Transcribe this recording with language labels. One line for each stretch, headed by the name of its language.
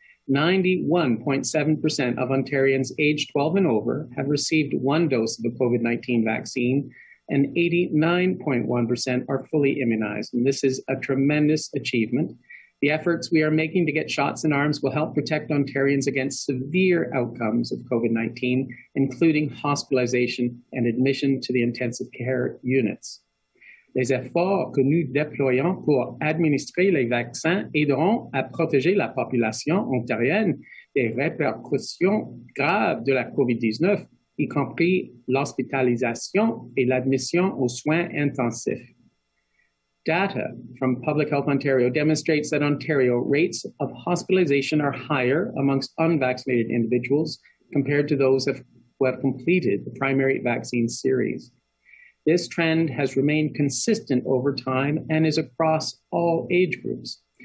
English: 91.7% of Ontarians aged 12 and over have received one dose of the COVID-19 vaccine, and 89.1% are fully immunized. And this is a tremendous achievement. The efforts we are making to get shots in arms will help protect Ontarians against severe outcomes of COVID-19, including hospitalization and admission to the intensive care units.
French: Les efforts que nous déployons pour administrer les vaccins aideront à protéger la population ontarienne des répercussions graves de la COVID-19, y compris l'hospitalisation et l'admission aux soins intensifs.
English: Data from Public Health Ontario demonstrates that Ontario rates of hospitalization are higher amongst unvaccinated individuals compared to those who have completed the primary vaccine series. This trend has remained consistent over time and is across all age groups.